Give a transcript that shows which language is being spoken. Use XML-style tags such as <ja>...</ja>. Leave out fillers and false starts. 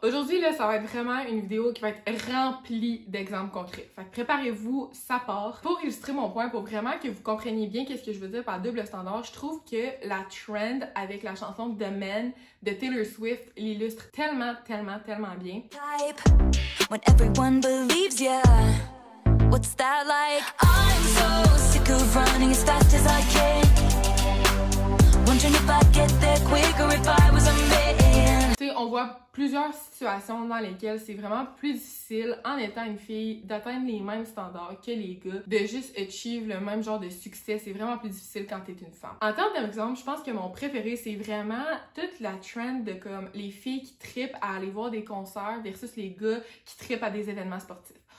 <fr>Aujourd'hui, là, ça va être vraiment une vidéo qui va être remplie d'exemples concrets. Fait que préparez-vous, ça part. Pour illustrer mon point, pour vraiment que vous compreniez bien qu'est-ce que je veux dire par double standard, je trouve que la trend avec la chanson The Man de Taylor Swift l'illustre tellement, tellement, tellement bien. Type.</fr> <en>When everyone believes ya, what's that like? I'm so sick of running as fast as I can, wondering if I'd get there quicker if I was a man.</en> <fr>T'sais, on voit plusieurs situations dans lesquelles c'est vraiment plus difficile, en étant une fille, d'atteindre les mêmes standards que les gars, de juste achieve le même genre de succès. C'est vraiment plus difficile quand t'es une femme. En termes d'exemple, je pense que mon préféré, c'est vraiment toute la trend de comme les filles qui trippent à aller voir des concerts versus les gars qui trippent à des événements sportifs.</fr>